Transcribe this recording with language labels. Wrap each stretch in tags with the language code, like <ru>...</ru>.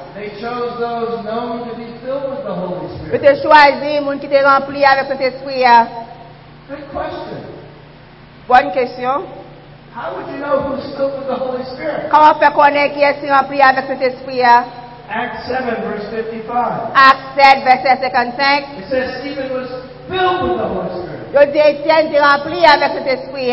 <en>They chose those known to be filled with the Holy Spirit.</en> <fr>Vous avez choisi les gens qui étaient remplis avec cet esprit.</fr> <en>Good question.</en> <fr>Bonne question.</fr> <en>How would you know who's filled with the Holy Spirit?</en> <fr>Comment on peut connaître qui est rempli avec cet esprit?</fr> <en>Acts 7:55. Acts 7:55. It says Stephen was filled with the Holy Spirit.</en> <fr>Je dis Étienne était rempli avec cet esprit.</fr>